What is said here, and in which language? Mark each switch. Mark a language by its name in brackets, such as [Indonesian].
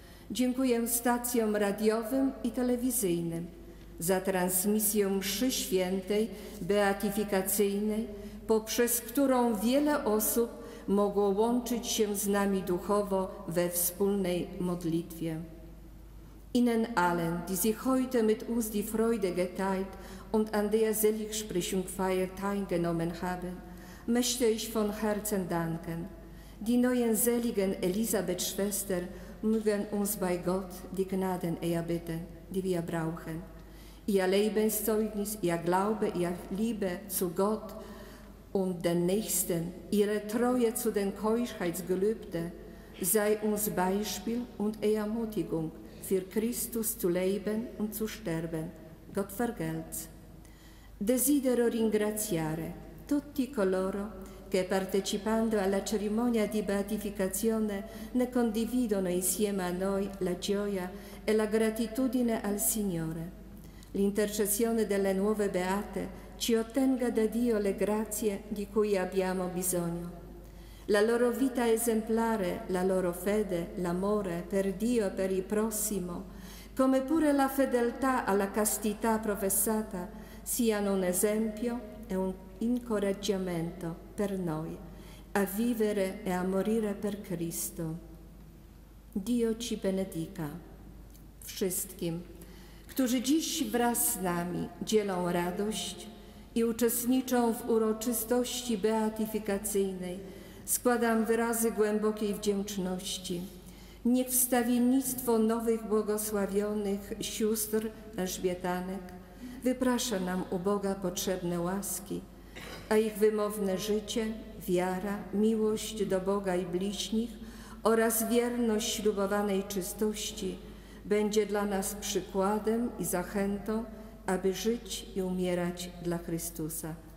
[Polish] Dziękuję stacjom radiowym i telewizyjnym za transmisję mszy świętej beatyfikacyjnej, poprzez którą wiele osób mogło łączyć się z nami duchowo we wspólnej modlitwie. [German] Ihnen allen, die sich heute mit uns die Freude geteilt und an der Seligsprechungsfeier teilgenommen haben, möchte ich von Herzen danken. Die neuen seligen Elisabeth-Schwester mögen uns bei Gott die Gnaden erbitten, die wir brauchen. Ihr Lebenszeugnis, ihr Glaube, ihr Liebe zu Gott und den Nächsten, ihre Treue zu den Keuschheitsgelübde, sei uns Beispiel und Ermutigung, für Christus zu leben und zu sterben. Gott vergelt's. [Italian] Desidero ringraziare tutti coloro che partecipando alla cerimonia di beatificazione ne condividono insieme a noi la gioia e la gratitudine al Signore. L'intercessione delle nuove beate ci ottenga da Dio le grazie di cui abbiamo bisogno. La loro vita esemplare, la loro fede, l'amore per Dio e per il prossimo, come pure la fedeltà alla castità professata, siano un esempio e un incoraggiamento per noi a vivere e a morire per Cristo. Dio ci benedica. [Polish] Wszystkim, którzy dziś wraz z nami dzielą radość i uczestniczą w uroczystości beatyfikacyjnej, składam wyrazy głębokiej wdzięczności. Niech wstawiennictwo nowych błogosławionych sióstr Elżbietanek wyprasza nam u Boga potrzebne łaski, a ich wymowne życie, wiara, miłość do Boga i bliźnich oraz wierność ślubowanej czystości będzie dla nas przykładem i zachętą, aby żyć i umierać dla Chrystusa.